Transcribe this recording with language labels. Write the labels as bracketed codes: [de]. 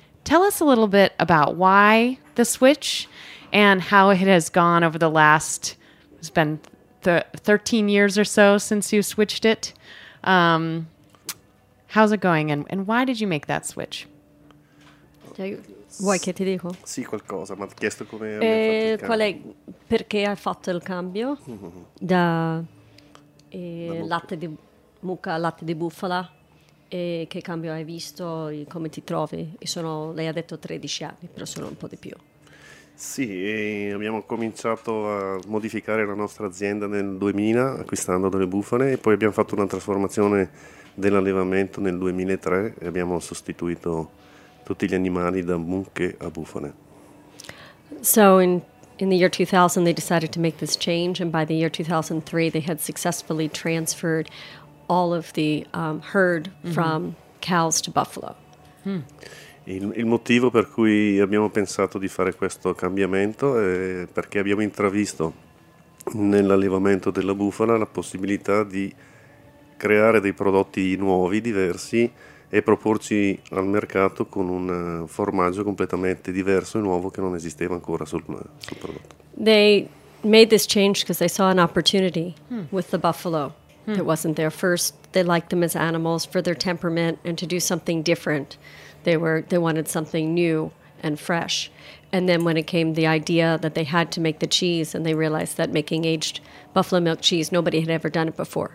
[en] Tell us a little bit about why the switch and how it has gone over the last, it's been 13 years or so since you switched it. How's it going, and why did you make that switch? [it] Vuoi che ti dico? Sì, qualcosa, mi ha chiesto come abbia fatto il cambio. Qual è, perché hai fatto il cambio da, da latte di mucca a latte di bufala? E che cambio hai visto? E come ti trovi? E sono, lei ha detto 13 anni, però sono un po' di più. Sì, abbiamo cominciato a modificare la nostra azienda nel 2000, acquistando delle bufale, e poi abbiamo fatto una trasformazione dell'allevamento nel 2003 e abbiamo sostituito tutti gli animali da mucche a bufale. [en] So in the year 2000 they decided to make this change, and by the year 2003 they had successfully transferred all of the herd from cows to buffalo. Mm. [it] Il motivo per cui abbiamo pensato di fare questo cambiamento è perché abbiamo intravisto nell'allevamento della bufala la possibilità di creare dei prodotti nuovi, diversi, e proporci al mercato con un formaggio completamente diverso e nuovo che non esisteva ancora sul prodotto. [en] They made this change because they saw an opportunity with the buffalo that wasn't there. First, they liked them as animals for their temperament and to do something different. They wanted something new and fresh. And then when it came the idea that they had to make the cheese, and they realized that making aged buffalo milk cheese, nobody had ever done it before.